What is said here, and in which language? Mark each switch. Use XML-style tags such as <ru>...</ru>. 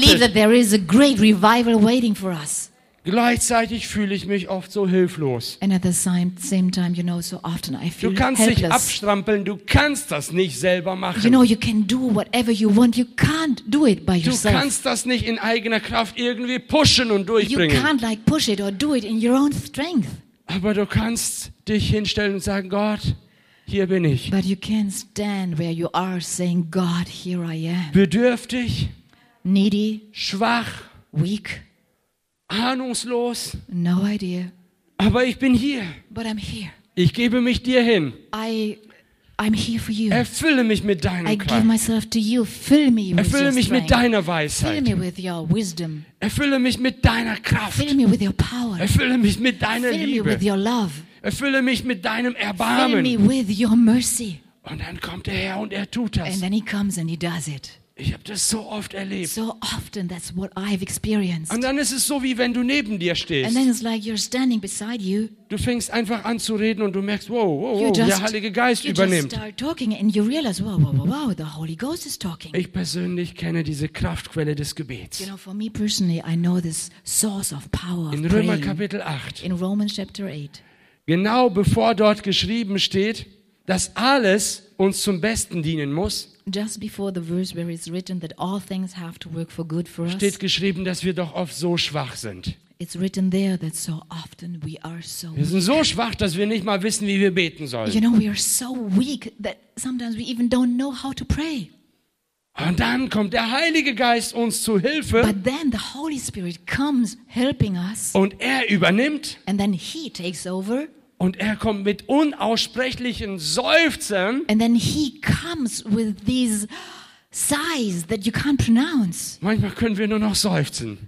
<en>I believe that there is a great revival waiting for us.</en> <de>Gleichzeitig fühle ich mich oft so hilflos.</de> <en>And at the same time, you know, so often I feel helpless.</en> <de>Du kannst dich abstrampeln, du kannst das nicht selber machen.</de> <en>You know, you can do whatever you want, you can't do it by yourself.</en> <de>Du kannst das nicht in eigener Kraft irgendwie pushen und durchbringen.</de> <en>You can't like push it or do it in your own strength.</en> <de>Aber du kannst dich hinstellen und sagen, Gott, hier bin ich.</de> <en>But you can stand where you are, saying, God, here I am.</en> <de>Bedürftig.</de> <en>Needy.</en> <de>Schwach.</de> <en>Weak.</en> <de>Ahnungslos.</de> <en>No idea.</en> <de>Aber ich bin hier.</de> <en>But I'm here.</en> <de>Ich gebe mich dir hin.</de> <en>I'm here for you.</en> <de>Erfülle mich mit deiner Kraft.</de> <en>I give myself to you. Fill me with your</en> <de>Erfülle mich</de> <en>strength.</en> <de>Mit deiner Weisheit.</de> <en>Fill me with your wisdom.</en> <de>Erfülle mich mit deiner Kraft.</de> <en>Fill me with your power.</en> <de>Erfülle mich mit deiner</de> <en>Fill</en> <de>Liebe.</de> <en>Me with your love.</en> <de>Erfülle mich mit deinem Erbarmen.</de> <en>Fill me with your mercy.</en> <de>Und dann kommt der Herr und er tut das.</de> <en>And then he comes and he does it.</en> <de>Ich habe das so oft erlebt.</de> <en>So often that's what I've experienced.</en> <de>Und dann ist es so, wie wenn du neben dir stehst.</de> <en>And then it's like you're standing beside you.</en> <de>Du fängst einfach an zu reden und du merkst, wow, der Heilige Geist übernimmt.</de> <en>You just start talking and you realize, wow, the Holy Ghost is talking.</en> <de>Ich persönlich kenne diese Kraftquelle des Gebets.</de> <en>You know, for me personally, I know this source of power.</en> <de>In Römer Kapitel 8.</de> <en>In Romans chapter 8.</en> <de>Genau bevor dort geschrieben steht, dass alles uns zum Besten dienen muss.</de> <en>Just before the verse where it's written that all things have to work for good for us.</en> <de>Steht geschrieben, dass wir doch oft so schwach sind.</de> <en>It's written there that so often we are so weak.</en> <de>Wir sind so schwach, dass wir nicht mal wissen, wie wir beten sollen.</de> <en>You know, we are so weak that sometimes we even don't know how to pray.</en> <de>Und dann kommt der Heilige Geist uns zu Hilfe.</de> <en>But then the Holy Spirit comes helping us.</en> <de>Und er übernimmt.</de> <en>And then he takes over.</en> <de>Und er kommt mit unaussprechlichen Seufzern.</de> <en>And then he comes with these sighs that you can't pronounce.</en> <de>Manchmal können wir nur noch seufzen.</de>